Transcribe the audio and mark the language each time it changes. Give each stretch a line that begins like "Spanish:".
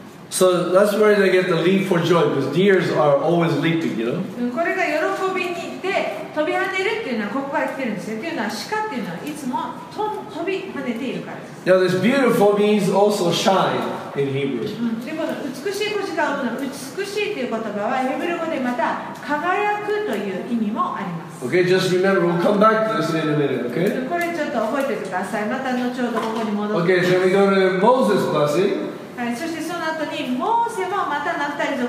English: So that's where they get the leap for joy, because deers are always leaping, you know?
Japanese: これが喜びに行って飛び跳ねるっていうのはここから来てるんですよ。っていうのは鹿っていうのはいつも飛び跳ねているからです。
English: Now this beautiful means also shine in Hebrew.
Japanese: でこの美しい子鹿の美しいっていう言葉はヘブル語でまた輝くという意味もあります。
English: Okay, just remember, we'll come back to this in a minute, okay?
Japanese: これちょっと覚えててください。また後ほどここに戻って。
English: Okay, so we go to Moses' blessing.
Japanese: はい、そしてその後にモーセもまたナフタリの